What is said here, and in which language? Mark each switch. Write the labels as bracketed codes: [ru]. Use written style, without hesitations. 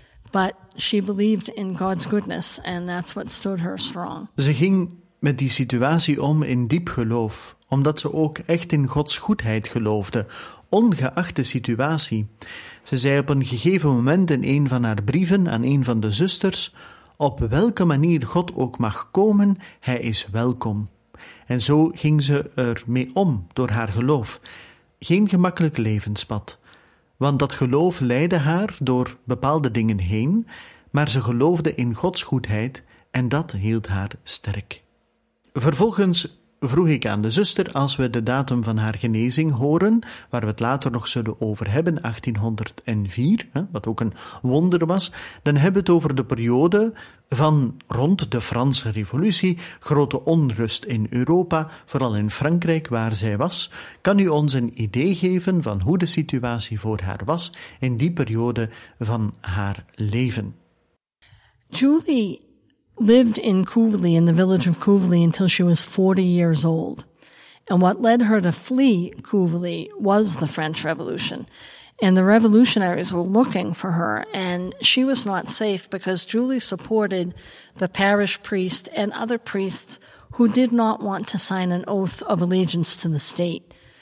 [en] But she believed in God's goodness, and that's what stood her strong. [nl] Ze ging met die situatie om in diep geloof, omdat ze ook echt in Gods goedheid geloofde, ongeacht de situatie. Ze zei op een gegeven moment in een van haar brieven aan een van de zusters, op welke manier God ook mag komen, hij is welkom. En zo ging ze ermee om, door haar geloof. Geen gemakkelijk levenspad. Want dat geloof leidde haar door bepaalde dingen heen, maar ze geloofde in Gods goedheid en dat hield haar sterk. Vervolgens vroeg ik aan de zuster, als we de datum van haar genezing horen, waar we het later nog zullen over hebben, 1804, wat ook een wonder was, dan hebben we het over de periode van rond de Franse Revolutie, grote onrust in Europa, vooral in Frankrijk waar zij was. Kan u ons een idee geven van hoe de situatie voor haar was in die periode van haar leven? [en] Julie lived in Kuvli, in the village of Kuvli, until she was 40 years old. And what led her to flee Kuvli was the French Revolution. And the revolutionaries were looking for her, and she was not safe because Julie supported the parish priest and other priests who did not want to sign an oath of allegiance to the state.